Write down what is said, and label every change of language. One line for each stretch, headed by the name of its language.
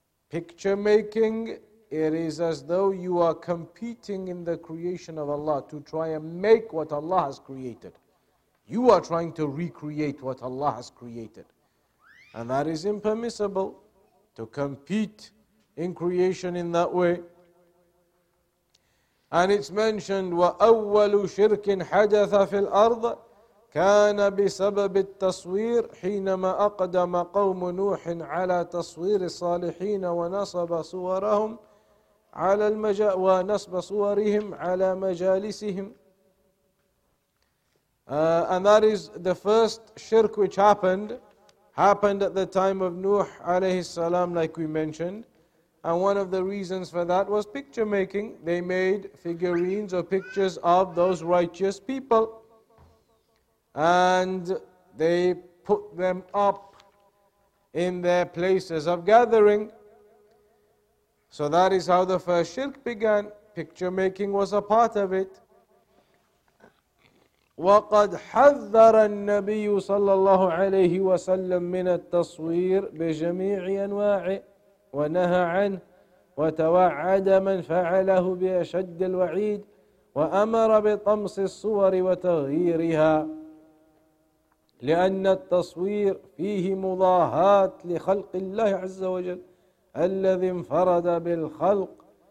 English: Picture making, it is as though you are competing in the creation of Allah to try and make what Allah has created. You are trying to recreate what Allah has created. And that is impermissible, to compete in creation in that way. And it's mentioned,
Arabic: وَأَوَّلُ شِرْكٍ حَدَثَ فِي الْأَرْضِ كان بسبب التصوير حينما أقدم قوم نوح على تصوير الصالحين ونصب صورهم على ونصب صورهم على مجالسهم.
English: And that is the first shirk which happened at the time of Nuh عليه السلام, like we mentioned. And one of the reasons for that was picture making. They made figurines or pictures of those righteous people, and they put them up in their places of gathering. So that is how the first shirk began. Picture making was a part of it.
Arabic: وَقَدْ حَذَّرَ النَّبِيُّ صَلَّى اللَّهُ عَلَيْهِ وَسَلَّمْ مِنَ التَّصْوِيرِ بِجَمِيعِ أَنْوَاعِ وَنَهَى عَنْهِ وَتَوَعَّدَ مَنْ فَعَلَهُ بِأَشَدِّ الْوَعِيدِ وَأَمَرَ بِطَمْسِ الصُّوَرِ وَتَغْيِيرِهَا لأن التصوير فيه مضاهاة لخلق الله عز وجل الذي انفرد بالخلق.